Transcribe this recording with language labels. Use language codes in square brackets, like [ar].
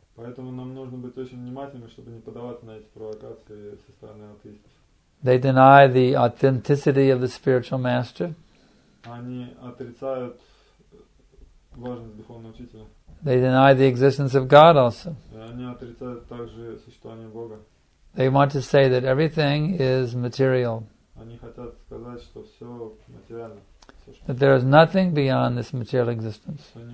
[ru] Поэтому нам нужно быть очень внимательными, чтобы не поддаваться на эти провокации со стороны атеистов. [en] They deny the authenticity of the spiritual master. [ru] Они отрицают важность духовного учителя. [en] They deny the existence of God also. [ru] И они отрицают также существование Бога. [en] They want to say that everything is material. [ru] Они хотят сказать, что все материально. [en] That there is nothing beyond this material existence.